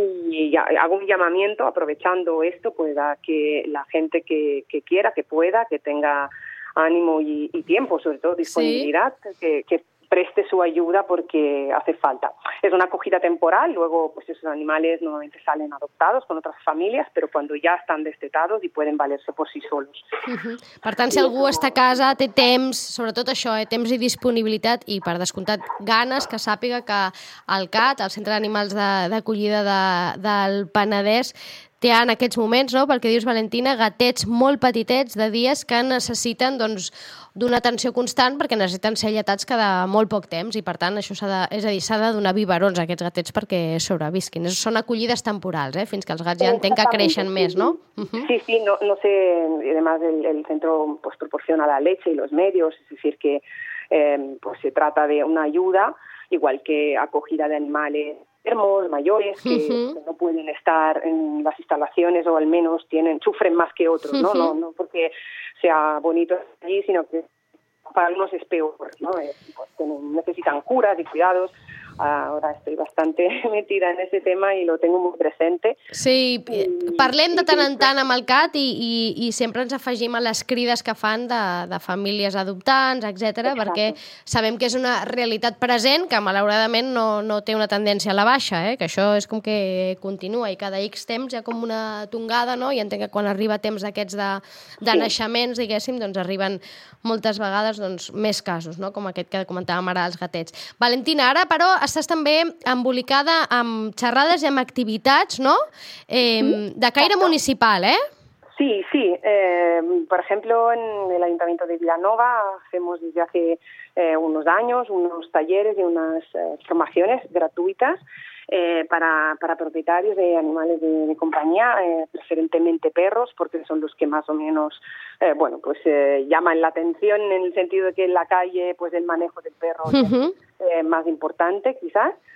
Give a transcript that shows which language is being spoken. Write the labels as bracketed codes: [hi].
[es] Y hago un llamamiento, aprovechando esto, pues a que la gente que quiera, que pueda, que tenga ánimo y tiempo, sobre todo disponibilidad, que preste su ayuda porque hace falta. Es una acogida temporal, luego pues esos animales normalmente salen adoptados con otras familias, pero cuando ya están destetados y pueden valerse por sí solos. [ca] Per tant, si algú està a casa, té temps, sobretot això, temps i disponibilitat, i per descomptat ganes, que sàpiga que el CAT, el Centre d'Animals d'Acollida del Penedès, té en aquests moments, no?, pel que dius, Valentina, gatets molt petitets de dies que necessiten d'una atenció constant perquè necessiten ser alletats cada molt poc temps i, per tant, això s'ha de donar biberons a aquests gatets perquè sobrevisquin. Són acollides temporals, fins que els gats ja entenc que creixen més, no? [es] Sí, sí, no sé, i además el centro pues proporciona la leche y los medios, es decir, que pues se trata de una ayuda, igual que acogida de animales enfermos, mayores, que no pueden estar en las instalaciones o al menos sufren más que otros, ¿no? No porque sea bonito allí, sino que para unos es peor, ¿no? Pues necesitan curas y cuidados, ahora estoy bastante metida en ese tema y lo tengo muy presente. [ca] Sí, parlem de tant en tant amb el CAT i sempre ens afegim a les crides que fan de famílies adoptants, etc., perquè sabem que és una realitat present que malauradament no té una tendència a la baixa, que això és com que continua i cada X temps hi ha com una tongada, no? I entenc que quan arriba temps d'aquests de sí. naixements, diguéssim, doncs arriben moltes vegades més casos, no? Com aquest que comentàvem ara dels gatets. Valentina, ara però estàs també embolicada amb xerrades i amb activitats, no? De caire municipal, Sí, sí. [es] Por ejemplo, en el Ayuntamiento de Vilanova hacemos desde hace unos años unos talleres y unas formaciones gratuitas para propietarios de animales de compañía, preferentemente perros, porque son los que más o menos llaman la atención, en el sentido de que en la calle pues el manejo del perro es más importante quizás.